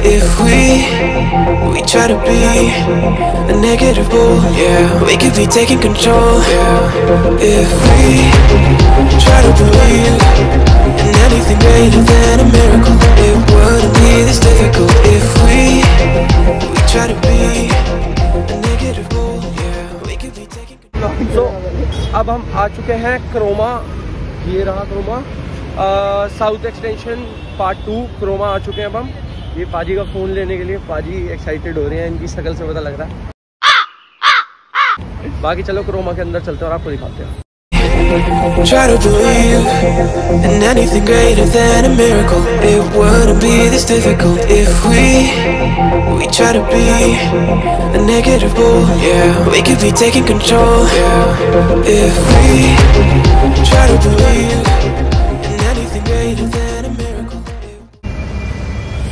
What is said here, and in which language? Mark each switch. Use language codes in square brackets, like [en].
[en] If we try to be a negative bull, yeah, we could be taking control, yeah. If we try to believe in anything greater than a miracle, it wouldn't be this difficult. If we try to be a negative bull, yeah, we could be taking control. [hi] अब हम आ चुके हैं Croma, ये रहा Croma south extension part two. Croma आ चुके हैं अब हम ये पाजी का फोन लेने के लिए। पाजी एक्साइटेड हो रहे हैं, इनकी शक्ल से पता लग रहा है। बाकी चलो क्रोमा के अंदर चलते हैं और आपको दिखाते हैं। [en] Try to believe in anything greater than a miracle, it wouldn't be this difficult. If we try to be a negative bull, yeah, we could be taking control, yeah. If we try to believe in anything greater than a miracle, it...